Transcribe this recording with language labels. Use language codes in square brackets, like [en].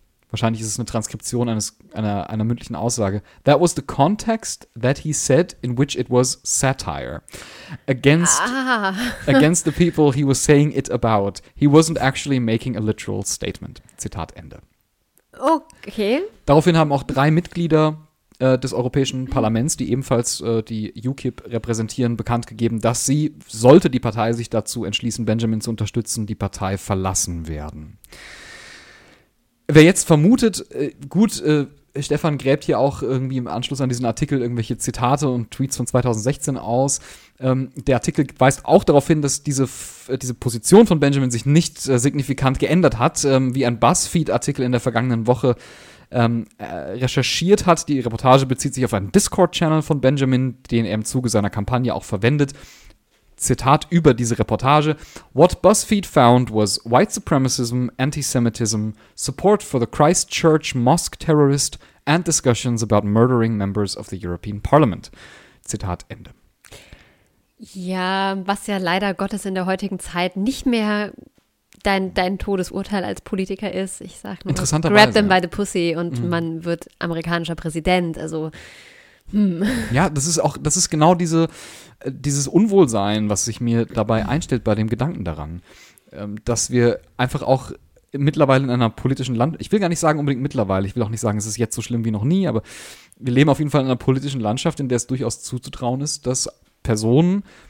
[de] wahrscheinlich ist es eine Transkription einer mündlichen Aussage. [en] That was the context that he said in which it was satire. Against the people he was saying it about. He wasn't actually making a literal statement. [de] Zitat Ende. Okay. Daraufhin haben auch drei Mitglieder des Europäischen Parlaments, die ebenfalls die UKIP repräsentieren, bekannt gegeben, dass sie, sollte die Partei sich dazu entschließen, Benjamin zu unterstützen, die Partei verlassen werden. Wer jetzt vermutet, Stefan gräbt hier auch irgendwie im Anschluss an diesen Artikel irgendwelche Zitate und Tweets von 2016 aus. Der Artikel weist auch darauf hin, dass diese Position von Benjamin sich nicht signifikant geändert hat, wie ein BuzzFeed-Artikel in der vergangenen Woche recherchiert hat. Die Reportage bezieht sich auf einen Discord-Channel von Benjamin, den er im Zuge seiner Kampagne auch verwendet. Zitat über diese Reportage: [en] What BuzzFeed found was white supremacism, anti-Semitism, support for the Christchurch mosque terrorist and discussions about murdering members of the European Parliament. [de] Zitat Ende. Ja, was ja leider Gottes in der heutigen Zeit nicht mehr dein Todesurteil als Politiker ist. Ich sag nur, interessanterweise, [en] grab them by the pussy [de] und man wird amerikanischer Präsident. Also, Ja, das ist genau dieses Unwohlsein, was sich mir dabei einstellt bei dem Gedanken daran, dass wir einfach auch mittlerweile in einer politischen Landschaft, ich will gar nicht sagen unbedingt mittlerweile, ich will auch nicht sagen, es ist jetzt so schlimm wie noch nie, aber wir leben auf jeden Fall in einer politischen Landschaft, in der es durchaus zuzutrauen ist, dass Personen,